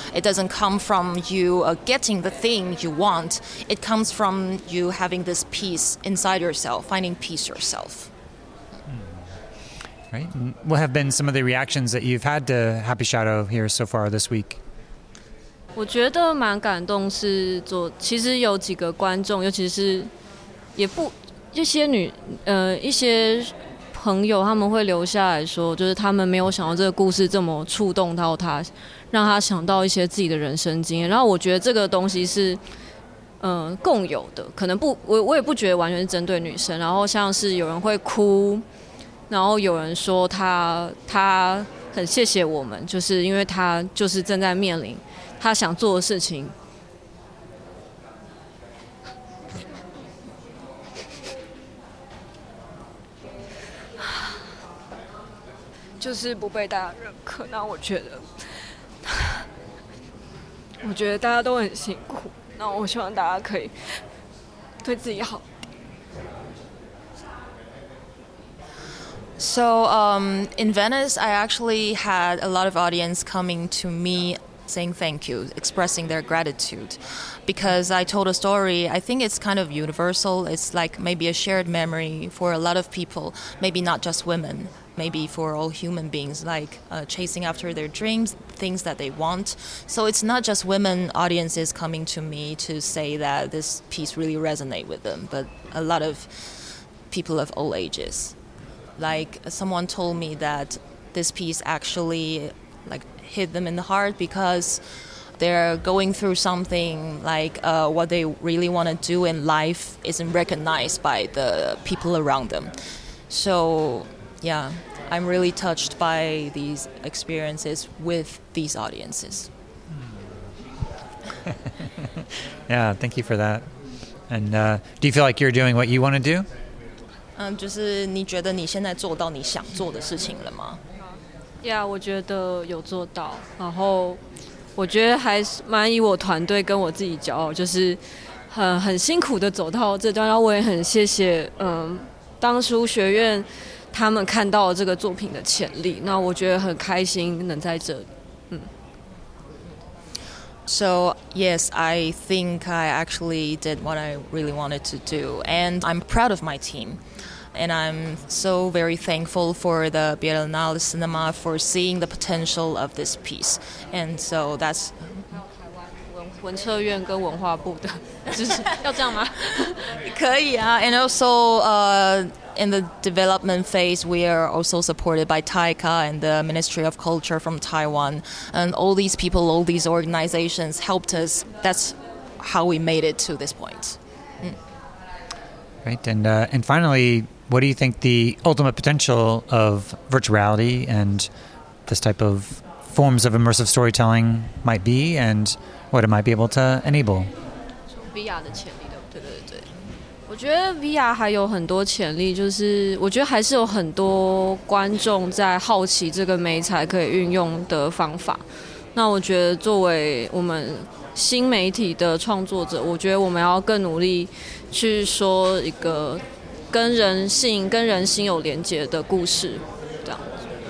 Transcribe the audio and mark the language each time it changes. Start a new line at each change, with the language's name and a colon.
English: It doesn't come from you getting the thing you want. It comes from you having this peace inside yourself, finding peace yourself. Right. What have been some of the reactions that you've had to Happy Shadow here so far this week?
Chinese: 我觉得蛮感动是做，其实有几个观众，尤其是也不一些女一些朋友，他们会留下来说，就是他们没有想到这个故事这么触动到他，让他想到一些自己的人生经验。然后我觉得这个东西是共有的，可能不，我也不觉得完全是针对女生。然后像是有人会哭。然后有人说他很谢谢我们，就是因为他就是正在面临他想做的事情。就是不被大家认可，那我觉得大家都很辛苦，那我希望大家可以对自己好。
English: So in Venice, I actually had a lot of audience coming to me saying thank you, expressing their gratitude, because I told a story. I think it's kind of universal. It's like maybe a shared memory for a lot of people, maybe not just women, maybe for all human beings, like chasing after their dreams, things that they want. So it's not just women audiences coming to me to say that this piece really resonates with them, but a lot of people of all ages. Like someone told me that this piece actually like hit them in the heart because they're going through something like what they really want to do in life isn't recognized by the people around them. So yeah, I'm really touched by these experiences with these audiences. Yeah, thank you for that. And do you feel like you're doing what you want to do?
Chinese: 就是你觉得你现在做到你想做的事情了吗？对啊，我觉得有做到，然后我觉得还蛮以我团队跟我自己骄傲，就是很辛苦的走到这段，然后我也很谢谢当初学院他们看到了这个作品的潜力，那我觉得很开心能在这里。
English: So yes, I think I actually did what I really wanted to do, and I'm proud of my team, and I'm so very thankful for the Biennale Cinema for seeing the potential of this piece, and so that's.
Chinese: 文策院跟文化部的，就是要这样吗？可以啊
English: ，and also in the development phase, we are also supported by Taika and the Ministry of Culture from Taiwan. And all these people, all these organizations helped us. That's how we made it to this point. Mm. Right. And finally, what do you think the ultimate potential of virtual reality and this type of forms of immersive storytelling might be and what it might be able to enable?
Chinese: VR 的潜力的，对对对。我觉得 VR 还有很多潜力，就是我觉得还是有很多观众在好奇这个媒材可以运用的方法。那我觉得作为我们新媒体的创作者，我觉得我们要更努力去说一个跟人性、跟人心有连结的故事，这样子。